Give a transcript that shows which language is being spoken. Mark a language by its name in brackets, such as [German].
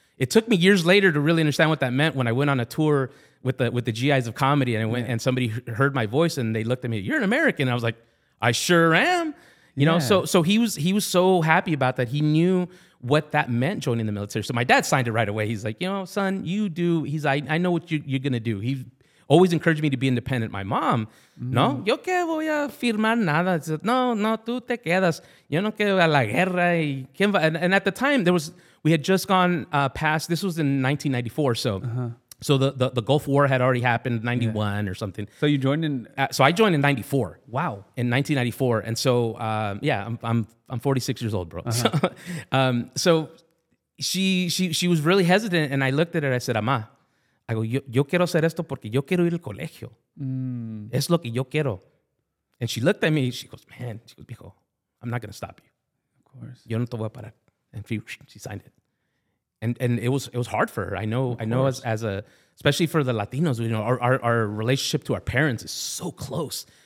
[English] It took me years later to really understand what that meant when I went on a tour with the GIs of comedy, and I went, yeah, and somebody heard my voice and they looked at me, you're an American. And I was like, I sure am, you know. So he was so happy about that. He knew what that meant, joining the military. So my dad signed it right away. He's like, you know, son, you do. He's like, I know what you're gonna do. He always encouraged me to be independent. My mom, [Spanish] mm-hmm, no, yo que voy a firmar nada. [English] Said, [Spanish] no, tú te quedas. Yo no quiero a la guerra. [English] And at the time, we had just gone past. This was in 1994, so. Uh-huh. So the Gulf War had already happened, 91 yeah, or something. So you joined in? So I joined in 94. Wow. In 1994. And so, yeah, I'm 46 years old, bro. Uh-huh. So she was really hesitant. And I looked at her. I said, Ama, I go, [Spanish] yo quiero hacer esto porque yo quiero ir al colegio. Mm. Es lo que yo quiero. [English] And she looked at me. She goes, man, she goes, mijo, I'm not going to stop you. Of course. [Spanish] Yo no te voy a parar. [English] And she signed it. And it was hard for her. I know as a especially for the Latinos, you know, our relationship to our parents is so close.